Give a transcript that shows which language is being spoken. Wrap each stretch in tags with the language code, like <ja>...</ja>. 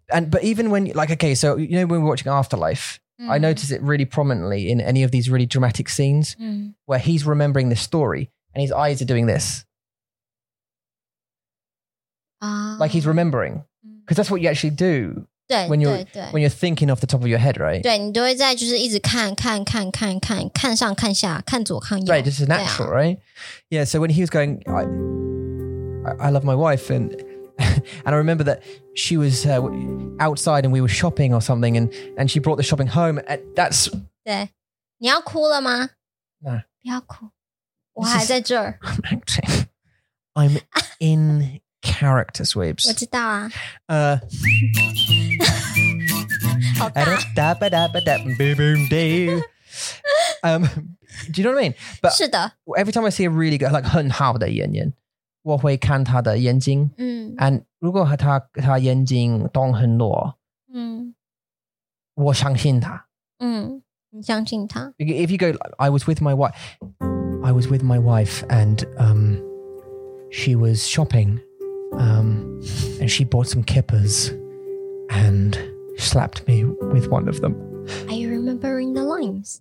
<en>But even when, like, okay, so you know when we're watching Afterlife, I notice it really prominently in any of these really dramatic scenes where he's remembering the story and his eyes are doing this. Like he's remembering. Because that's what you actually do when you're thinking off the top of your head, right?</en> <zh>对，你都会在就是一直看看看看看看上看下看左看右。</zh> <en>Right, this is natural, right? Yeah, so when he was going, I love my wife and I remember that she was outside and we were shopping or something and she brought the shopping home. That's...</en> <zh>对。你要哭了吗?</zh> <en>No.</en> <zh>不要哭。我还在这儿。</zh> <en>I'm acting. I'm in character, Sweeps.</en> <zh>我知道啊。好大。</zh> <en>Da ba da ba da boom boom day. Do you know what I mean?</en> <zh>But 是的。</zh> <en>Every time I see a really good, like,</en> <zh>很好的演员。我会看他的眼睛and 如果他眼睛动很多我相信他你相信他</zh> <en>If you go, I was with my wife and she was shopping and she bought some kippers and slapped me with one of them. Are you remembering the lines?</en>